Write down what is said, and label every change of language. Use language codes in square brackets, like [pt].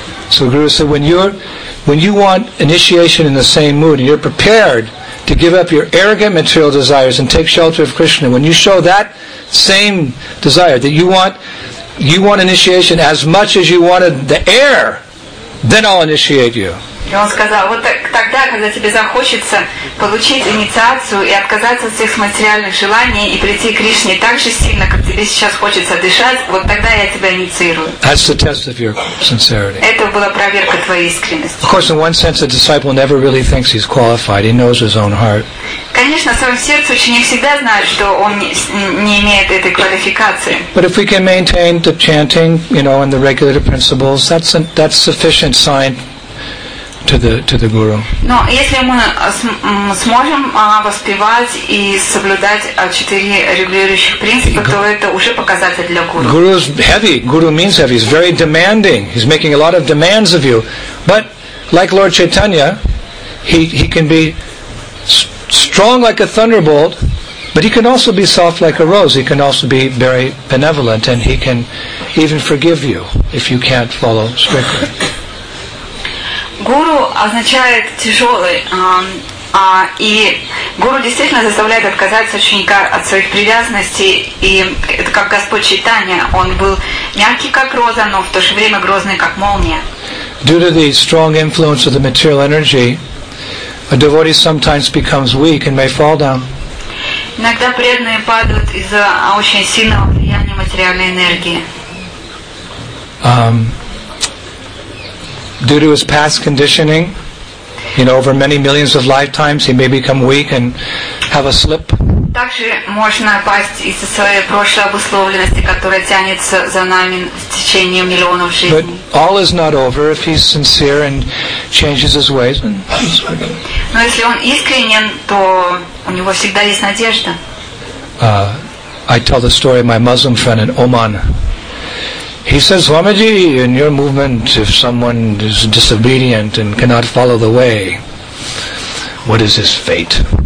[en] So Guru said, when you want initiation in the same mood, you're prepared to give up your arrogant material desires and take shelter of Krishna. When you show that same desire that you want initiation as much as you wanted the air, then I'll initiate you. [ru] И он сказал, вот тогда, когда тебе захочется получить инициацию и отказаться от всех материальных желаний и прийти к Кришне так же сильно, как тебе сейчас хочется дышать, вот тогда я тебя инициирую. [en] That's the test of your sincerity. [ru] Это была проверка твоей искренности. [en] Of course, in one sense, the disciple never really thinks he's qualified. He knows his own heart. [ru] Конечно, в своем сердце ученик всегда знает, что он не имеет этой квалификации. [en] But if we can maintain the chanting, you know, and the regulative principles, that's sufficient sign to the guru. [ru] Но если мы сможем воспевать и соблюдать 4 регулирующих принципа, то это уже показатель для гуру. [en] Guru is heavy. Guru means heavy. He's very demanding. He's making a lot of demands of you. But like Lord Chaitanya, he can be strong like a thunderbolt, but he can also be soft like a rose. He can also be very benevolent, and he can even forgive you if you can't follow strictly. [ru] Гуру означает тяжелый, и гуру действительно заставляет отказаться ученика от своих привязанностей, и это как Господь Чайтанья, он был мягкий как роза, но в то же время грозный как молния. [en] Due to the strong influence of the material energy, a devotee sometimes becomes weak and may fall down. [ru] Иногда преданные падают из-за очень сильного влияния материальной энергии. [en] Due to his past conditioning, you know, over many millions of lifetimes, he may become weak and have a slip. [ru] Также можно пасть из-за своей прошлой обусловленности, которая тянется за нами в течение миллионов жизней. [en] But all is not over if he's sincere and changes his ways. [ru] Но если он искренен, то у него всегда есть надежда. [en] I tell the story of my Muslim friend in Oman. He says, Swamiji, in your movement, if someone is disobedient and cannot follow the way, what is his fate?